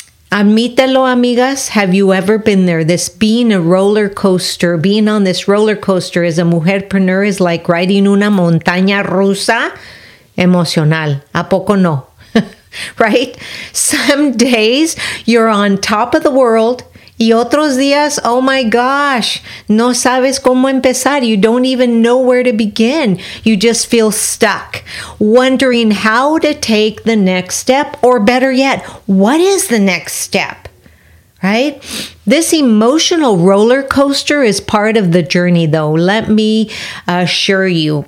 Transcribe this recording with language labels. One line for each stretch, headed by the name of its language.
Spanish: Admítelo, amigas.
English: Have you ever been there? This being a roller coaster, being on this roller coaster as a mujerpreneur is like riding
Spanish: una montaña rusa emocional. ¿A poco no?
English: Right? Some days you're on top of the world.
Spanish: Y otros días,
English: oh my gosh,
Spanish: no sabes cómo empezar.
English: You don't even know where to begin. You just feel stuck, wondering how to take the next step, or better yet, what is the next step, right? This emotional roller coaster is part of the journey, though, let me assure you.